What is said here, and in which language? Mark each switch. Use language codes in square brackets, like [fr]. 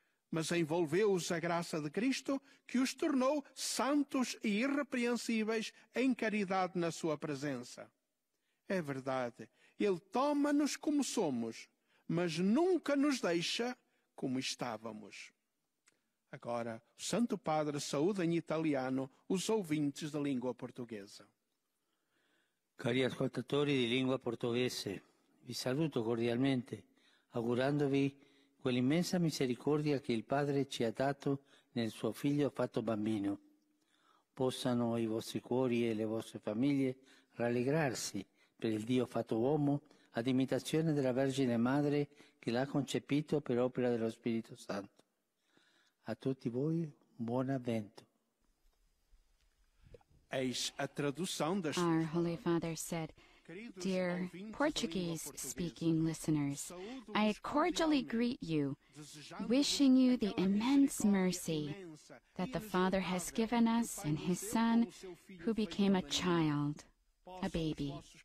[pt] mas envolveu-os a graça de Cristo, que os tornou santos e irrepreensíveis em caridade na sua presença. É verdade, Ele toma-nos como somos, mas nunca nos deixa como estávamos. Agora, o Santo Padre saúda em italiano os ouvintes da língua portuguesa. [it] Cari ascoltatori di lingua portoghese, vi saluto cordialmente, augurandovi quell'immensa misericordia che il Padre ci ha dato nel suo figlio fatto bambino. Possano i vostri cuori e le vostre famiglie rallegrarsi per il Dio fatto uomo, ad imitazione della Vergine Madre che l'ha concepito per opera dello Spirito Santo. A tutti voi, buon avvento. [en] Our Holy Father said, Dear Portuguese-speaking listeners, I cordially greet you, wishing you the immense mercy that the Father has given us in His Son, who became a child, a baby.